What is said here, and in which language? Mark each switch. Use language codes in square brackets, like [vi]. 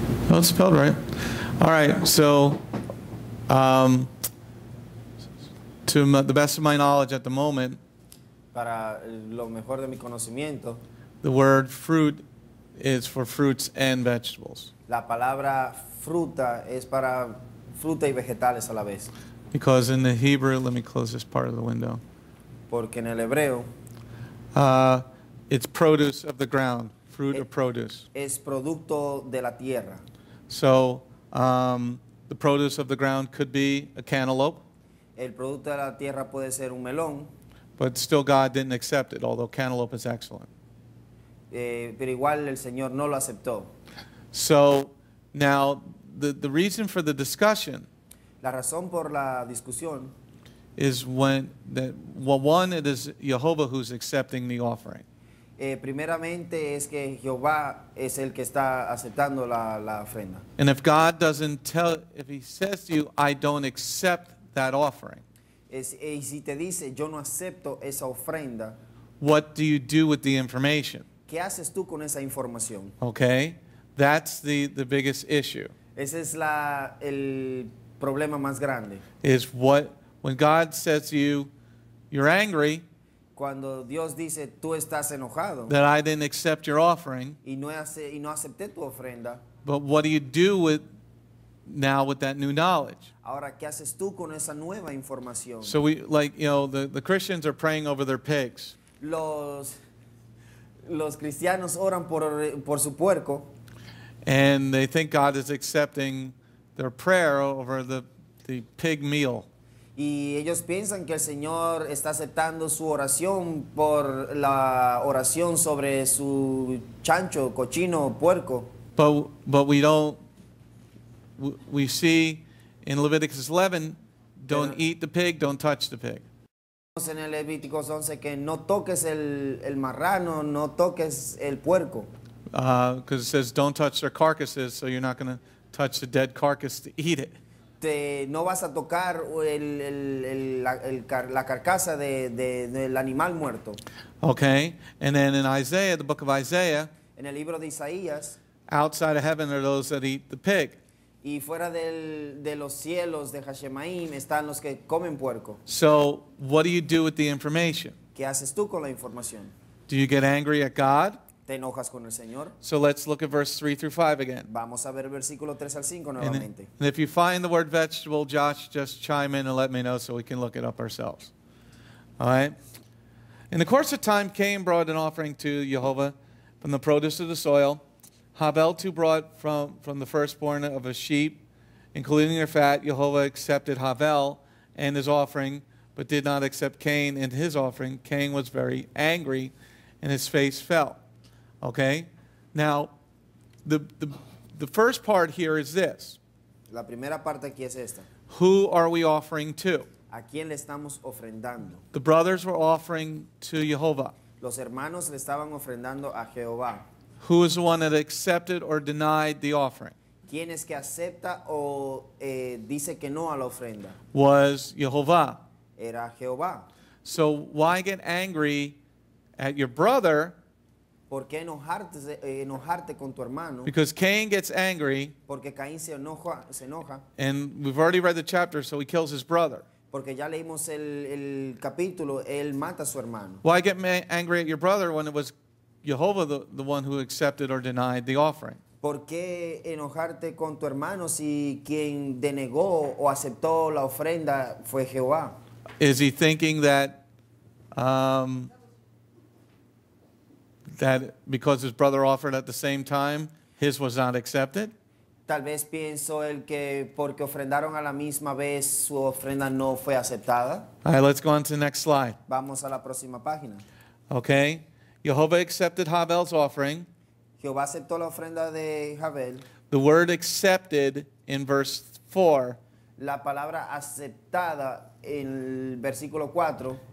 [en] No, it's spelled right. All right, so to the best of my knowledge at the moment, [es] para lo mejor de mi conocimiento, [en] the word fruit is for fruits and vegetables. [es] La palabra fruta es para fruta y vegetales a la vez. [en] Because in the Hebrew, let me close this part of the window. [es] Porque en el hebreo, [en] it's produce of the ground, fruit or produce. [es] Es producto de la tierra. [en] So the produce of the ground could be a cantaloupe. [es] El producto de la tierra puede ser un melón. [en] But still God didn't accept it, although cantaloupe is excellent. [es] Pero igual el Señor no lo aceptó. [en] So now the reason for the discussion, [es] la razón por la discusión, [en] is when that, well, one, it is Yehovah who's accepting the offering. [es] Primeramente es que Jehová es el que está aceptando la ofrenda. [en] And if God doesn't tell, if he says to you, I don't accept that offering, [es] y si te dice, yo no acepto esa ofrenda, [en] what do you do with the information? [es] ¿Qué haces tú con esa información? [en] Okay, that's the biggest issue. [es] Ese es el problema más grande. [en] Is what, when God says to you, you're angry, [es] cuando Dios dice, tú estás enojado, [en] that I didn't accept your offering, [es] y no acepté tu ofrenda, [en] but what do you do with now with that new knowledge? [es] Ahora, ¿qué haces tú con esa nueva información? [en] So we, like, you know, the Christians are praying over their pigs. [es] Los cristianos oran por su puerco. [en] And they think God is accepting their prayer over the pig meal. [es] Y ellos piensan que el Señor está aceptando su oración por la oración sobre su chancho, cochino, puerco. [en] But we don't. We see in Leviticus 11, don't eat the pig, don't touch the pig. [es] En el Levítico 11 que no toques el marrano, no toques el puerco. [en] because it says don't touch their carcasses, so you're not going to touch the dead carcass to eat it. [es] No vas a tocar la carcasa del animal muerto. [en] Okay, and then in Isaiah, the book of Isaiah, [es] en el libro de Isaías, [en] outside of heaven are those that eat the pig. [es] Y fuera de los cielos de Hashemaim están los que comen puerco. [en] So, what do you do with the information? [es] ¿Qué haces tú con la información? [en] Do you get angry at God? [es] ¿Te enojas con el Señor? [en] So let's look at verse 3 through 5 again. [es] Vamos a ver versículo 3 al 5 nuevamente. [en] And if you find the word vegetable, Josh, just chime in and let me know so we can look it up ourselves. All right? In the course of time, Cain brought an offering to Yehovah from the produce of the soil. Havel too brought from the firstborn of a sheep, including their fat. Yehovah accepted Havel and his offering, but did not accept Cain and his offering. Cain was very angry, and his face fell. Okay? Now, the first part here is this. [es] La primera parte aquí es esta. [en] Who are we offering to? [es] ¿A quién le estamos ofrendando? [en] The brothers were offering to Yehovah. [es] Los hermanos le estaban ofrendando a Jehová. [en] Who is the one that accepted or denied the offering? [es] ¿Quién es que acepta o dice que no a la ofrenda? [en] Was Yehovah. [es] Era Jehová. [en] So why get angry at your brother? [es] ¿Por qué enojarte con tu hermano? [en] Because Cain gets angry. [es] Porque Caín se enoja. [en] And we've already read the chapter, so he kills his brother. [es] Porque ya leímos el capítulo, él mata a su hermano. [en] Why get angry at your brother when it was Yehovah, the one who accepted or denied the offering? [es] ¿Por qué enojarte con tu hermano si quien denegó o aceptó la ofrenda fue Jehová? [en] Is he thinking that that because his brother offered at the same time, his was not accepted? [es] Tal vez pienso el que porque ofrendaron a la misma vez, su ofrenda no fue aceptada. [en] All right, let's go on to the next slide. [es] Vamos a la próxima página. [en] Okay. Yehovah accepted Havel's offering. [es] Jehová aceptó la ofrenda de Havel. [en] The word accepted in verse 4. [es] La palabra aceptada en el versículo 4.